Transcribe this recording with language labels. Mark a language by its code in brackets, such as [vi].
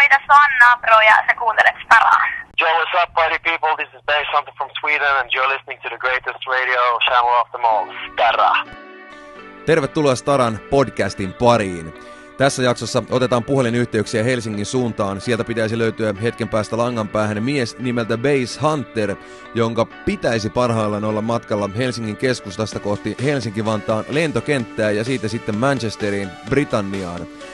[fi] Sanna, bro, ja sä kuuntelet Staraa. [en] Yo, what's up, party people? This is Bay something from Sweden, and you're listening to the greatest radio channel of them all, Stara. [fi] Tervetuloa Staran podcastin pariin. Tässä jaksossa otetaan puhelinyhteyksiä Helsingin suuntaan. Sieltä pitäisi löytyä hetken päästä langan päähän mies nimeltä Base Hunter, jonka pitäisi parhaillaan olla matkalla Helsingin keskustasta kohti Helsinki-Vantaan lentokenttää ja siitä sitten Manchesteriin, Britanniaan.